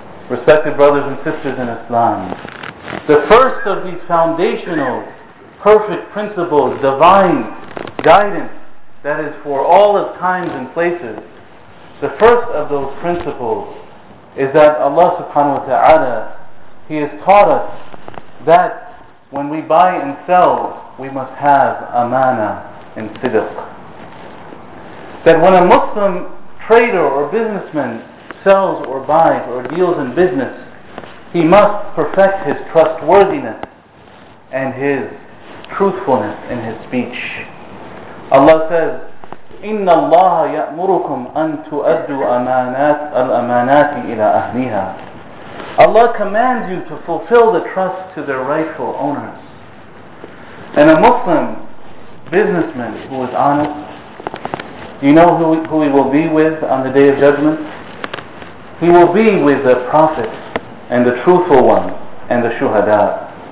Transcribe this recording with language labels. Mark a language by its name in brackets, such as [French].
[English] Respected brothers and sisters in Islam, the first of these foundational, perfect principles, divine guidance that is for all of times and places, the first of those principles is that Allah subhanahu wa ta'ala, He has taught us that when we buy and sell, we must have amana and sidq. That when a Muslim trader or businessman sells or buys or deals in business, he must perfect his trustworthiness and his truthfulness in his speech. Allah says, [Arabic] إِنَّ اللَّهَ يَأْمُرُكُمْ أَن تُؤَدُّوا أَمَانَاتِ الْأَمَانَاتِ إِلَىٰ أَهْلِهَا. [English] Allah commands you to fulfill the trust to their rightful owners. And a Muslim businessman who is honest, you know who he will be with on the Day of Judgment? He will be with the Prophet and the truthful one and the Shuhada.